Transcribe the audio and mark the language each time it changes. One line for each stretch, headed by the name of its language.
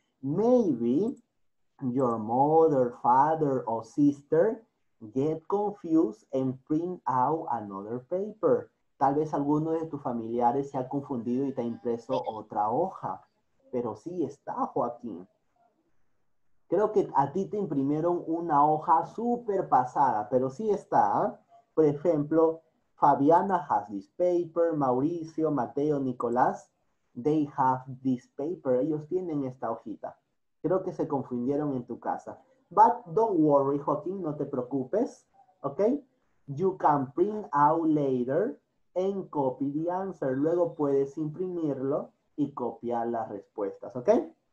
English: Maybe your mother, father, or sister get confused and print out another paper.
Spanish: Tal vez alguno de tus familiares se ha confundido y te ha impreso otra hoja. Pero sí está, Joaquín. Creo que a ti te imprimieron una hoja súper pasada, pero sí está. Por ejemplo,
English: Fabiana has this paper, Mauricio, Mateo, Nicolás, they have this paper.
Spanish: Ellos tienen esta hojita. Creo que se confundieron en tu casa.
English: But don't worry,
Spanish: Joaquín, no te preocupes. Okay?
English: You can print out later and copy the answer.
Spanish: Luego puedes imprimirlo y copiar las respuestas, ¿ok?